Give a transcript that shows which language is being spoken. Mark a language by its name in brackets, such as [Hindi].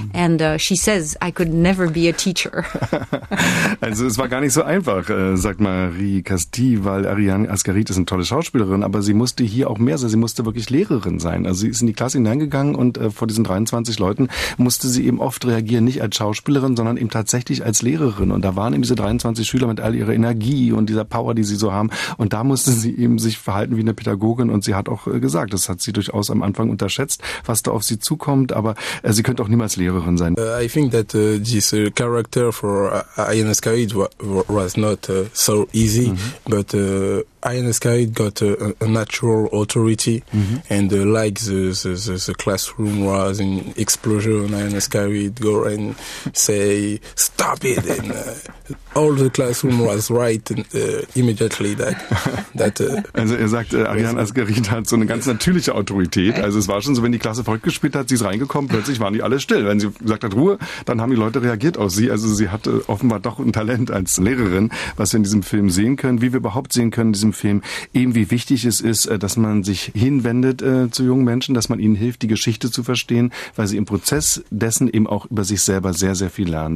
[English] And she says, I could never be a teacher. [German] Also es war gar nicht so einfach, sagt Marie-Casti, weil Ariane Ascaride ist eine tolle Schauspielerin, aber sie musste hier auch mehr sein, sie musste wirklich Lehrerin sein. Also sie ist in die Klasse hineingegangen und vor diesen 23 Leuten musste sie eben oft reagieren, nicht als Schauspielerin, sondern eben tatsächlich als Lehrerin. Und da waren eben diese 23 Schüler mit all ihrer Energie und dieser Power, die sie so haben. Und da musste sie eben sich verhalten wie eine Pädagogin und sie hat auch gesagt, das hat sie durchaus am Anfang unterschätzt, was da auf sie zukommt, aber sie könnte auch niemals Lehrerin sein. [English] I think that this character for Ariane Ascaride was not so easy, mm-hmm. but Ariane Ascaride got a natural authority, mm-hmm. and like the classroom was in explosion, Ariane Ascaride go and say, stop it, and all the classroom was right immediately [German] Also er sagt, Ariane Ascaride hat so eine ganz natürliche Autorität. Also es war schon so, wenn die Klasse verrückt gespielt hat, sie ist reingekommen, plötzlich waren die alle still. Wenn sie gesagt hat, Ruhe, dann haben die Leute reagiert auf sie. Also sie hatte offenbar doch ein Talent als Lehrerin, was wir in diesem Film sehen können. Wie wir überhaupt sehen können in diesem Film, eben wie wichtig es ist, dass man sich hinwendet zu jungen Menschen, dass man ihnen hilft, die Geschichte zu verstehen, weil sie im Prozess dessen eben auch über sich selber sehr, sehr viel lernen.